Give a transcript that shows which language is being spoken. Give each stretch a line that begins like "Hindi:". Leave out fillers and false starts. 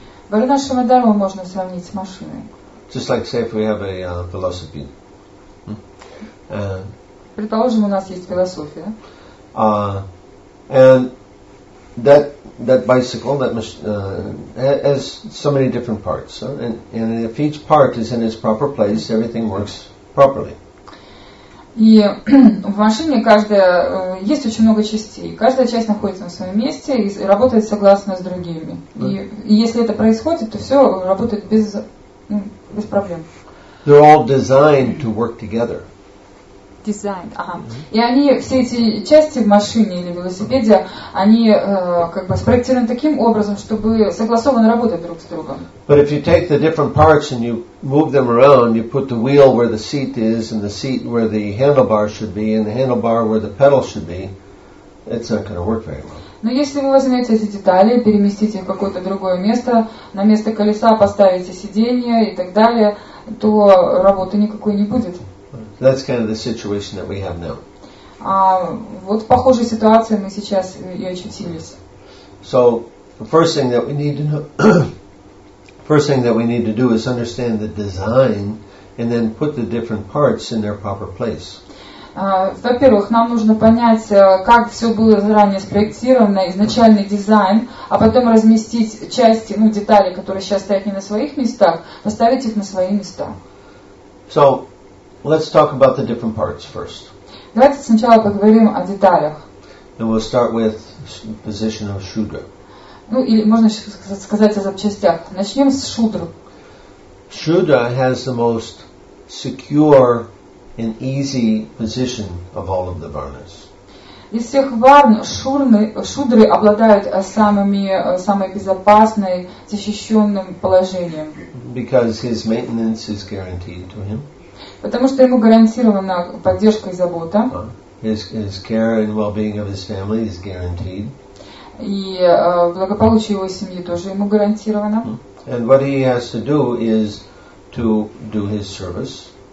Russian: Варнашрама дхарму можно сравнить с машиной.
English: Just like say if we have a philosophy.
Russian: Предположим, у нас есть философия.
English: That bicycle, has so many different parts, and if each part is in its proper place, everything works properly.
Russian: И в машине каждая есть очень много частей. Каждая часть находится на своем месте и работает согласно с другими. И если это происходит, то все работает без проблем.
English: They're all designed to work together. Designed. Ага. Mm-hmm.
Russian: И они все эти части в машине или велосипеде, они как бы спроектированы таким образом, чтобы согласованно работать друг с другом.
English: But if you take the different parts and you move them around, you put the wheel where the seat is and the seat where the handlebar should be and the handlebar where the pedal should be, it's not going to work very well.
Russian: Но если вы возьмете эти детали, переместите их в какое-то другое место, на место колеса поставите сиденье и так далее, то работы никакой не будет.
English: That's kind of the situation that we have now.
Russian: Вот похожая ситуация, мы сейчас и очутились.
English: So, the first thing that we need to know, first thing that we need to do is understand the design and then put the different parts in their proper place.
Russian: Во-первых, нам нужно понять, как все было заранее спроектировано, изначальный дизайн, а потом разместить части, ну, детали, которые сейчас стоят не на своих местах, поставить их на свои места.
English: So, let's talk about the different parts first.
Russian: Давайте сначала поговорим о деталях.
English: And we'll start with position of shudra.
Russian: Ну, или можно сказать о запчастях. Начнем с шудры.
English: Shudra has the most secure and easy position of all of the varnas.
Russian: Из всех варн шудры обладают самой безопасной, защищенным положением.
English: Because his maintenance is guaranteed to him.
Russian: Потому что ему гарантирована поддержка и забота.
English: His care and well-being of his family is guaranteed.
Russian: И благополучие его семьи тоже ему гарантировано.
English: And what he has to do is to do his service.